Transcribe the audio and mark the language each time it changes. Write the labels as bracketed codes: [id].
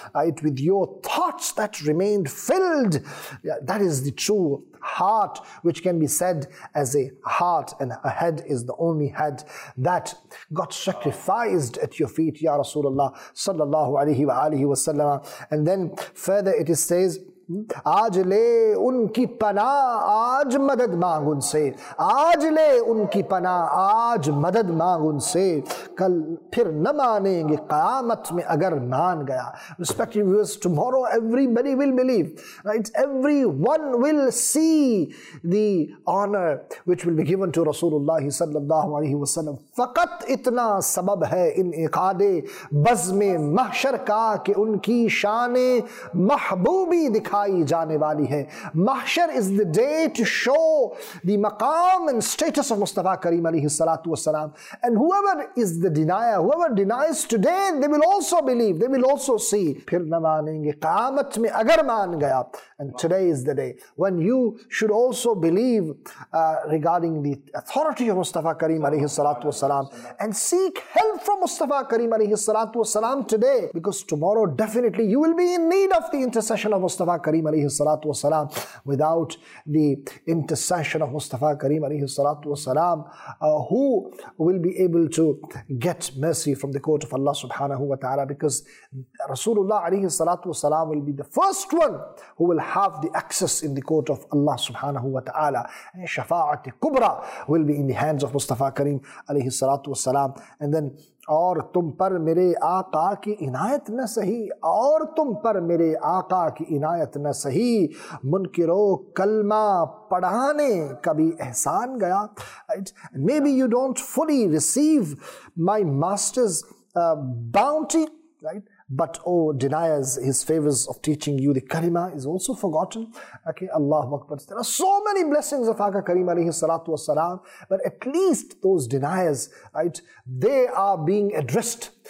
[en] It with your thoughts that remained filled. Yeah, that is the true heart, which can be said as a heart, and a head is the only head that got sacrificed at your feet, Ya Rasulullah Sallallahu Alaihi Wa Alihi Wasallam. And then further it says, [ur] آج لے ان کی پناہ آج مدد مانگ ان سے آج لے ان کی پناہ آج مدد مانگ ان سے کل پھر نہ مانیں گے قیامت میں اگر مان گیا. [en] Respective viewers, tomorrow everybody will believe, right? Everyone will see the honor which will be given to Rasulullah sallallahu alaihi wasallam. [ur] فقط اتنا سبب ہے ان اقاد بزم محشر کا کہ ان کی شان محبوبی دکھ کھائی جانے والی ہے. [en] محشر is the day to show the maqam and status of Mustafa Kareem alayhi salatu wasalam. And whoever is the denier, whoever denies today, they will also believe, they will also see. [ur] پھر نہ مانیں گے قیامت میں اگر مان گیا. [en] And today is the day when you should also believe regarding the authority of Mustafa Kareem alayhi salatu wasalam, and seek help from Mustafa Kareem alayhi salatu wasalam today, because tomorrow definitely you will be in need of the intercession of Mustafa Kareem alayhi salatu wasalam. Without the intercession of Mustafa Kareem alayhi salatu wasalam, who will be able to get mercy from the court of Allah subhanahu wa ta'ala? Because Rasulullah alayhi salatu wasalam will be the first one who will have the access in the court of Allah subhanahu wa ta'ala. And Shafa'at Kubra will be in the hands of Mustafa Kareem alayhi salatu wasalam. And then, [ur] اور تم پر میرے آقا کی عنایت نہ سہی اور تم پر میرے آقا کی عنایت نہ سہی منکرو کلمہ پڑھانے کبھی احسان گیا. [en] Maybe you don't fully receive my master's bounty, right? But oh, deniers, his favors of teaching you the kalima is also forgotten. Okay, Allahu Akbar. There are so many blessings of Aga Kareem alayhi salatu wasalam, but at least those deniers, right, they are being addressed.